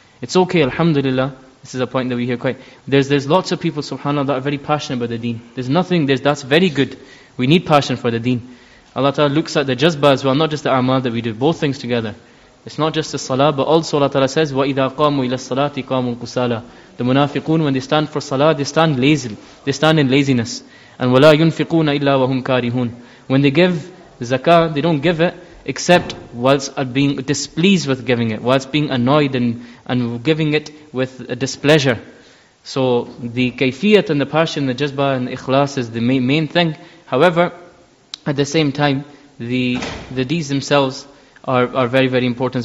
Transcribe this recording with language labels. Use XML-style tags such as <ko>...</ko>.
<en>It's okay, alhamdulillah. This is a point that we hear quite. There's lots of people, subhanAllah, that are very passionate about the deen. That's very good. We need passion for the deen. Allah Ta'ala looks at the jazbah as well, not just the a'mal that we do, both things together. It's not just the salah, but also Allah Ta'ala says, وَإِذَا قَامُوا إِلَى الصَّلَاةِ قَامُوا قُسَالَى. The munafiqun, when they stand for salah, they stand lazy. They stand in laziness.</en> <ar>And وَلَا يُنْفِقُونَ إِلَّا وَهُمْ كَارِهُونَ.</ar> <en>When they give zakah, they don't give it except whilst being displeased with giving it, whilst being annoyed and giving it with a displeasure. So the kayfiyat and the passion, the jazbah and the ikhlas is the main thing. However, at the same time, the deeds themselves are very, very important.</en>